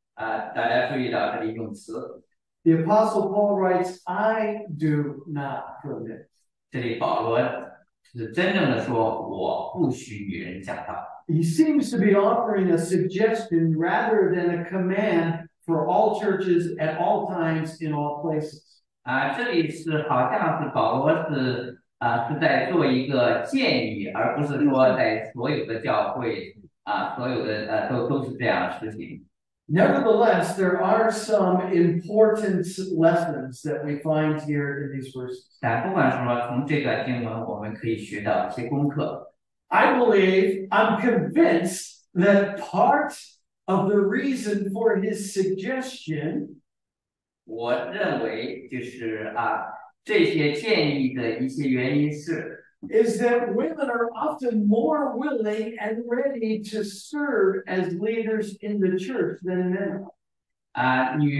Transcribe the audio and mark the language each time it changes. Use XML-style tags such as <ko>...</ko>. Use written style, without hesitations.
<zh>大家注意到这里用词。</zh> <en>The Apostle Paul writes, I do not permit.</en> <zh>这里保罗是真正的说，我不许女人讲道。</zh> <en>He seems to be offering a suggestion rather than a command for all churches at all times in all places.</en> <zh>这里是好像是保罗是。是在做一个建议，而不是说在所有的教会所有的都是这样的事情。</zh> <en>Nevertheless, there are some important lessons that we find here in these verses.</en> <zh>但不管什么, 从这段经文我们可以学到一些功课。</zh> <en>I believe, I'm convinced that part of the reason for his suggestion</en> <zh>我认为就是啊,这些建议的一些原因是</zh> <en>is that women are often more willing and ready to serve as leaders in the church than men are.</en>